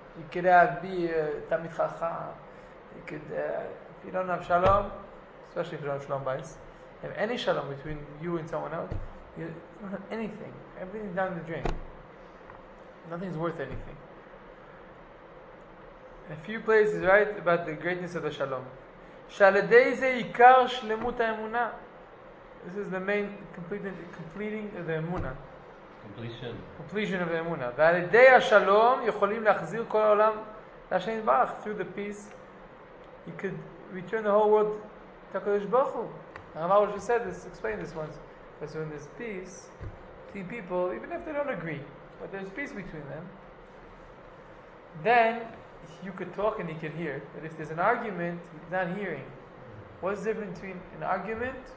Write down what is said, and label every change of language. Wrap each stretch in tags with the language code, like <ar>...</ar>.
<en>You could be Tamid Chacha. You could, if you don't have Shalom, especially if you don't have Shalom Bais, have any Shalom between you and someone else, you don't have anything. Everything's down the drain. Nothing's worth anything. A few places, right, about the greatness of the Shalom.</en> <he>Shaladei ze ikar shlemut ha'emunah.</he> <en>This is the main, completing the emunah. Completion of Emuna.</en> <he>ועל ידי השלום יכולים להחזיר כל העולם לשם יתברך.</he> <en>Through the peace, you could return the whole world to HaKadosh Baruch Hu. Rambam just said this, explained this once. Because when there's peace, between people, even if they don't agree, but there's peace between them, then you could talk and he could hear. But if there's an argument, he's not hearing. What's the difference between an argument?</en>